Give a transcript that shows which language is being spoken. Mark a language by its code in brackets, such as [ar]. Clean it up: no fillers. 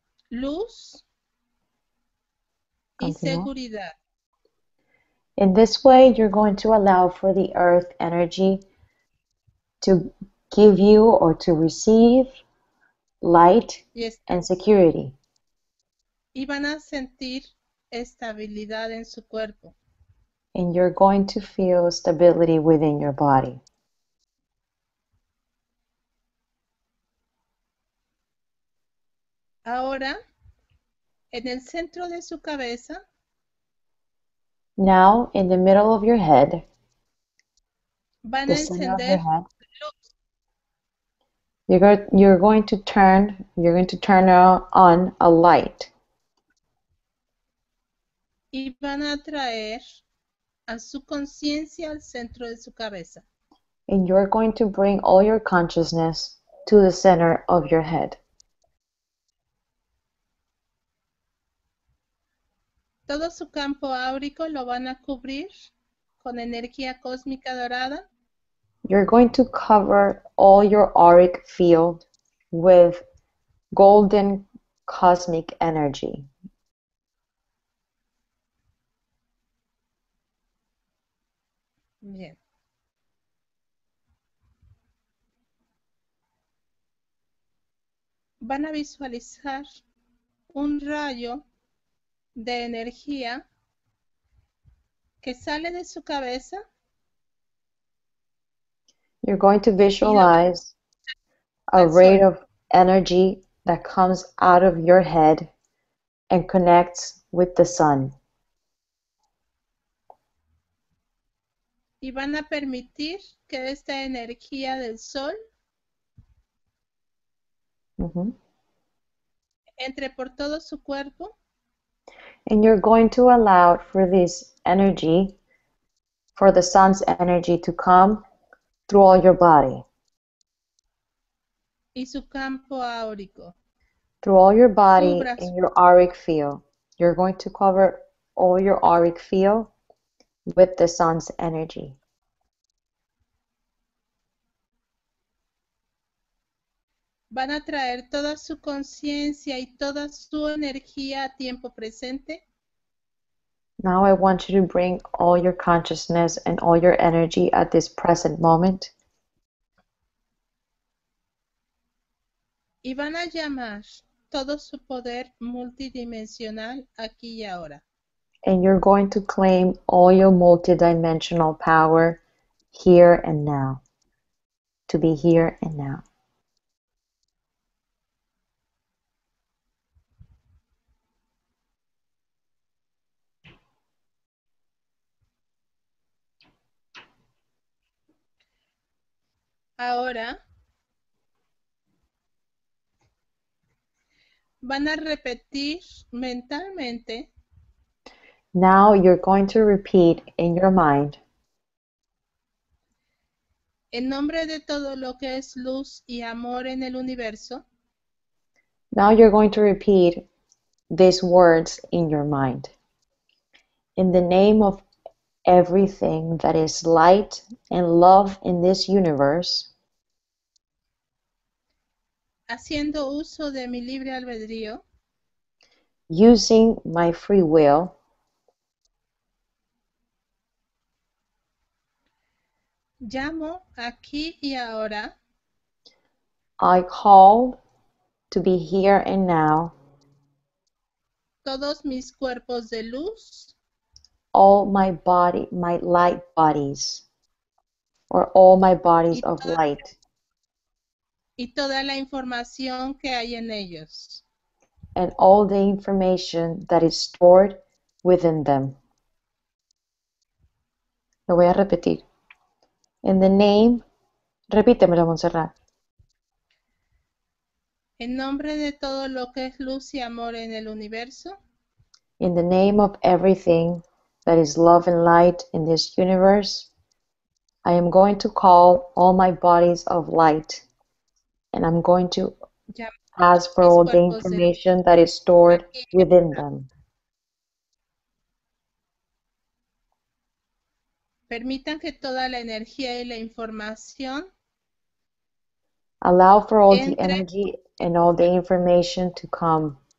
[es] Luz. Continua. Y seguridad. [en] In this way, you're going to allow for the Earth energy to give you or to receive light, yes, and security. [es] Y van a sentir estabilidad en su cuerpo. [en] And you're going to feel stability within your body. [es] Ahora, en el centro de su cabeza, [en] now, in the middle of your head, [es] van a encender luz. [en] You're going to turn on a light. [es] Y van a traer a su conciencia al centro de su cabeza. [en] And you're going to bring all your consciousness to the center of your head. [es] Todo su campo áurico lo van a cubrir con energía cósmica dorada. [en] You're going to cover all your auric field with golden cosmic energy. [es] Bien. Van a visualizar un rayo de energía que sale de su cabeza. [en] You're going to visualize a ray of energy that comes out of your head and connects with the sun. [es] Y van a permitir que esta energía del sol entre por todo su cuerpo. [en] And you're going to allow for this energy, for the sun's energy to come through all your body. [es] Y su campo áurico. [en] Through all your body and your auric field. You're going to cover all your auric field with the sun's energy. [es] Van a traer toda su conciencia y toda su energía a tiempo presente. [en] Now I want you to bring all your consciousness and all your energy at this present moment. [es] Y van a llamar todo su poder multidimensional aquí y ahora. [en] And you're going to claim all your multidimensional power here and now. To be here and now. [es] Ahora van a repetir mentalmente. [en] Now you're going to repeat in your mind. [es] En nombre de todo lo que es luz y amor en el universo. [en] Now you're going to repeat these words in your mind. In the name of everything that is light and love in this universe. [es] Haciendo uso de mi libre albedrío. [en] Using my free will. [es] Llamo aquí y ahora. [en] I call to be here and now. [es] Todos mis cuerpos de luz. [en] All my body, my light bodies. Or all my bodies of light. [es] Y toda la información que hay en ellos. [en] And all the information that is stored within them. [es] Lo voy a repetir. [en] In the name, [es] repítemelo, Montserrat. En nombre de todo lo que es luz y amor en el universo. [en] In the name of everything that is love and light in this universe, I am going to call all my bodies of light, and I'm going to ask for all the information that is stored within them. [es] Permitan que toda la energía y la información. [en] Allow for all the energy and all the information to come.